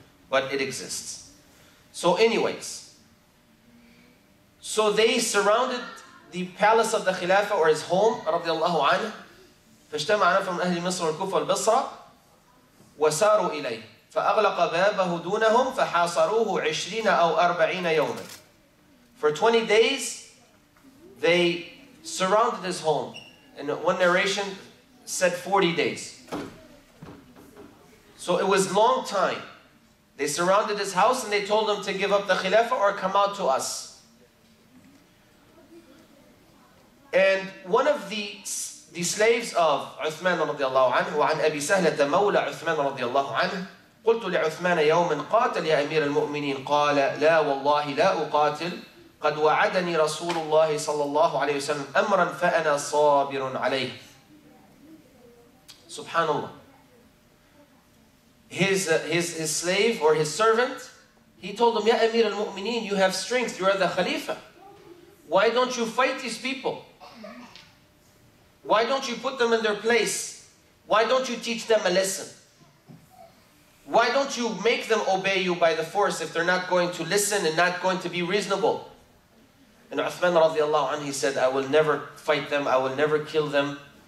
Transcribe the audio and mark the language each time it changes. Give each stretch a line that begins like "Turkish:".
English: But it exists. So anyways, so they surrounded the palace of the Khilafah or his home, radiallahu anhu,
Arabic: فَاجْتَمَعَنَا فَمْ أَهْلِ مِصْرِ وَالْكُفَ وَالْبِصْرَةِ وَسَارُوا إِلَيْهِ فَأَغْلَقَ بَابَهُ دُونَهُمْ فَحَاصَرُوهُ 20 أَوْ 40 يَوْمًا
English: For 20 days, they surrounded his home. And one narration said 40 days. So it was long time. They surrounded his house and they told him to give up the Khilafah or come out to us. And one of the slaves of Uthman radiallahu anhu,
Arabic: وعن أبي سهلة مولى عثمان رضي الله عنه قلت لعثمان يوما قاتل يا أمير المؤمنين قال لا والله لا أقاتل قد وعدني رسول الله صلى الله عليه وسلم أمرا فأنا صابر عليه سبحان الله
English: His slave or his servant, he told him, Ya Amir al-Mu'mineen, you have strength, you are the Khalifa. Why don't you fight these people? Why don't you put them in their place? Why don't you teach them a lesson? Why don't you make them obey you by the force if they're not going to listen and not going to be reasonable? And Uthman radiallahu anhu, he said, I will never fight them, I will never kill them.